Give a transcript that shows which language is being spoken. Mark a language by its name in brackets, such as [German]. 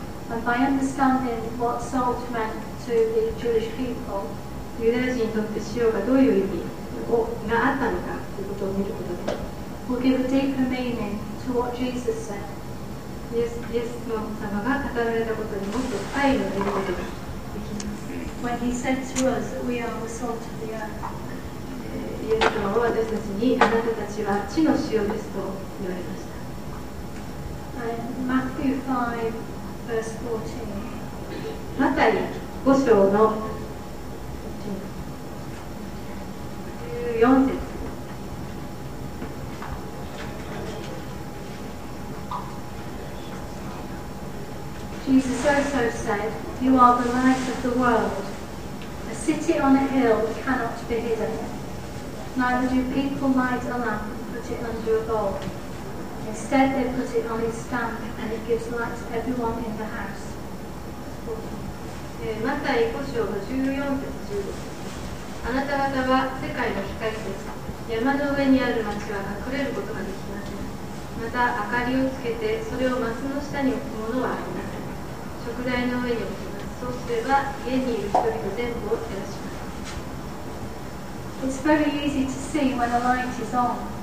[English] And by understanding what salt meant to the Jewish people, [Japanese] ユダヤ人にとって塩がどういう意味があったのかということを見ることで、 [English] We'll give a deeper meaning to what Jesus said. [Japanese] イエス様が語られたことにもっと深い意味を見ることができます。 [English] When he said to us that we are the salt of the earth, [Japanese] イエス様は私たちにあなたたちは地の塩ですと言われました。 [English] Matthew 5, verse 14. [Japanese] マタイ5章の4節、 [English] Jesus also said, You are the light of the world. A city on a hill cannot be hidden. Neither do people light a lamp and put it under a bowl. Instead, they put it on its stand and it gives light to everyone in the house. [Japanese] マタイ5章の14節15節、あなた方は世界の光です。山の上にある町は隠れることができません。また明かりをつけてそれを松の下に置くものはありません。食材の上に置きます。そうすれば家にいる人々全部を照らします。 [English] It's very easy to see when a light is on.